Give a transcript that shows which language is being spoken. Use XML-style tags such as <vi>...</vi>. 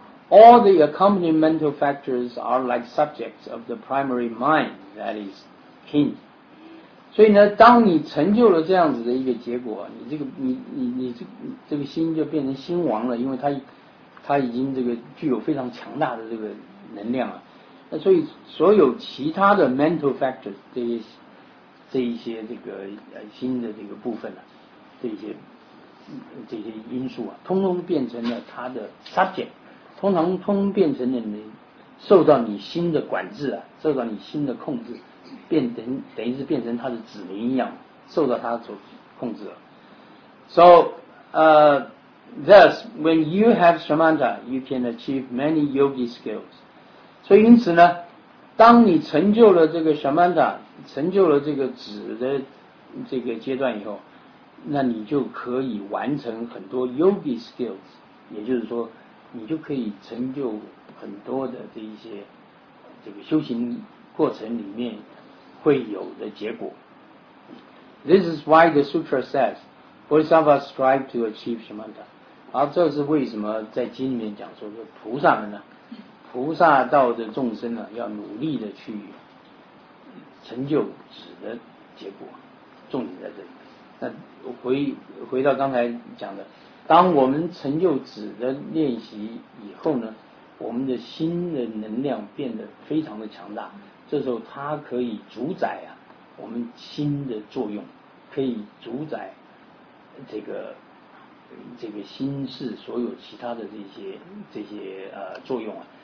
<en>All the accompanying mental factors are like subjects of the primary mind that is king.</en> <zh>所以呢，当你成就了这样子的一个结果，你这个心就变成心王了，因为它已经这个具有非常强大的这个能量了。那所以所有其他的</zh> <en>mental factors,</en> <zh>这一些这个心的这个部分呢、啊、这些因素啊，通通变成了它的 subject, 通通变成了你受到你心的管制啊，受到你心的控制，等于是变成它的子民一样，受到它所控制了。</zh> <en>So, thus, when you have shamatha, you can achieve many yogi skills.</en> <zh>所以因此呢，当你成就了这个 shamatha, 成就了这个止的这个阶段以后，那你就可以完成很多</zh> <en>yogi skills,</en> <zh>也就是说你就可以成就很多的这一些这个修行过程里面会有的结果。</zh> <en>This is why the sutra says, Bodhisattva strive to achieve shamatha.</en> <zh>而这是为什么在经里面讲说说菩萨们呢？菩萨道的众生呢，要努力的去成就止的结果，重点在这里。那回到刚才讲的，当我们成就止的练习以后呢，我们的心的能量变得非常的强大，这时候它可以主宰啊我们心的作用，可以主宰这个心事所有其他的这些作用啊。</zh>